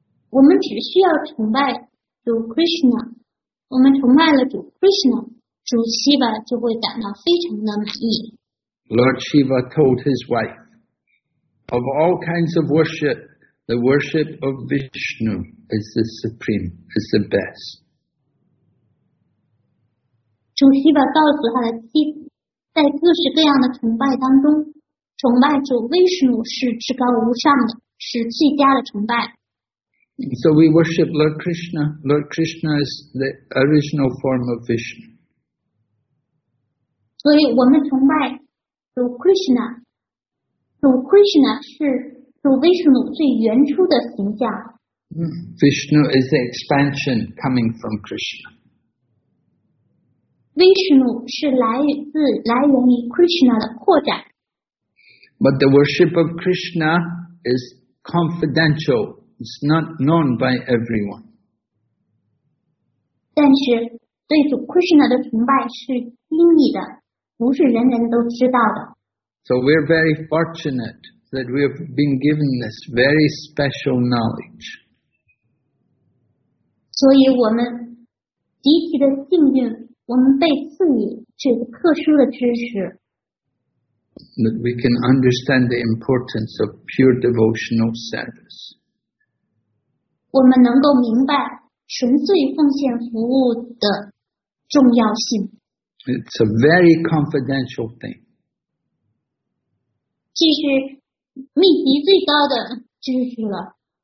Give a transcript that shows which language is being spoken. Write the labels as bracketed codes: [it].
[zh] 我们只需要崇拜主 Krishna, 我们崇拜了主 Krishna。主 Shiva 就会感到非常的满意。 [en] Lord Shiva told his wife of all kinds of worship, the worship of Vishnu is the supreme, is the best. [zh] 主希伯告诉他的妻子，在各式各样的崇拜当中，崇拜主威神是至高无上的，是最佳的崇拜。 [en] So we worship Lord Krishna. Lord Krishna is the original form of Vishnu. [zh] 所以我们崇拜主 Krishna. 主 Krishna 是主威神最原初的形象。 [en] Vishnu is the expansion coming from Krishna. [zh] Vishnu 是来源于 Krishna 的扩展。 [en] But the worship of Krishna is confidential. It's not known by everyone. [zh] 但是对主 Krishna 的崇拜是秘密的，不是人人都知道的。 [en] So we're very fortunate that we have been given this very special knowledge. [zh] 所以我们极其的幸运。我们被赐予这个特殊的知识。 [en] That we can understand the importance of pure devotional service. [zh] 我们能够明白纯粹奉献服务的重要性。 [en] It's a very confidential thing. [zh] 这是秘籍最高的知识了。